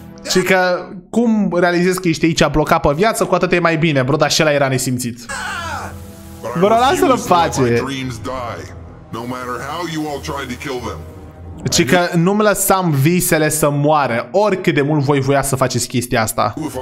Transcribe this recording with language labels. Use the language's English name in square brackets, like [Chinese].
[Romanian] Și că cum realizezi că ești aici blocat pe viață, cu atât e mai bine, bro, dar și ăla era nesimțit. Bro, lasă-l în pace. [English] No matter how you all tried to kill them. [Romanian] Ci că nu-mi lăsam visele să moară, oricât de mult voi voia să faceți chestia asta.